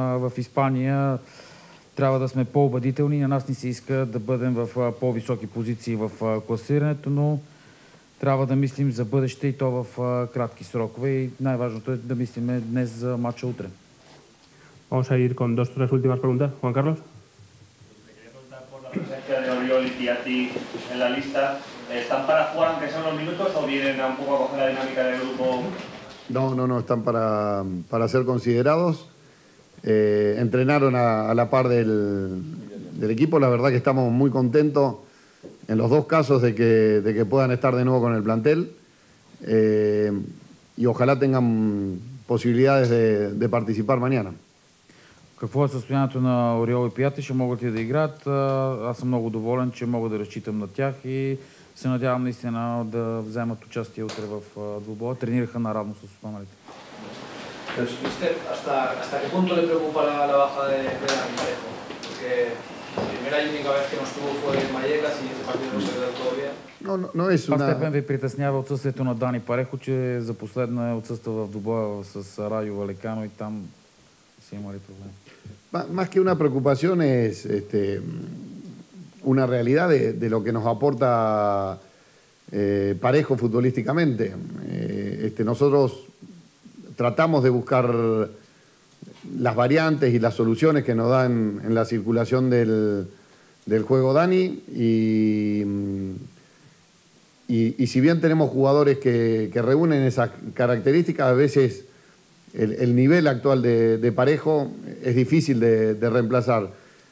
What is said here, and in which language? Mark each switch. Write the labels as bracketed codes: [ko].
[bg] В Испания трябва да сме по-убедителни. На нас ни се иска да бъдем в по-високи позиции в класирането, но трябва да мислим за бъдеще, и то в кратки срокове. И най-важното е да мислим днес за матча утре. [es] Vamos a ir con dos o tres últimas preguntas. Juan Carlos. Me quería preguntar por la presencia de Oriol y Piatti en la lista. ¿Están para jugar aunque sean los minutos o vienen un poco a coger la dinámica del grupo? No, están para ser considerados. Entrenaron a la par del equipo. La verdad que estamos muy contentos en los dos casos de que puedan estar de nuevo con el plantel, y ojalá tengan posibilidades de participar mañana. [bg] Какво е състоянието на Ориол и Пиати? Ще могат ли да играят? Аз съм много доволен, че мога да разчитам на тях и се надявам наистина да вземат участие утре в двубоя. Тренираха наравно с останалите. [es] ¿Hasta qué punto le preocupa la baja de Armijo? Porque la primera y única vez que no estuvo fue en Mallorca y ese partido no se quedó todavía. [bg] Но е Това степен ви притеснява отсъствието на Дани Парехо, че за последно е отсъствал в двубоя с Райо Валекано и там си имали проблем. [es] Más que una preocupación es una realidad de lo que nos aporta Parejo futbolísticamente. Nosotros tratamos de buscar las variantes y las soluciones que nos dan en la circulación del juego Dani y si bien tenemos jugadores que reúnen esas características, a veces el nivel actual de Parejo es difícil de reemplazar.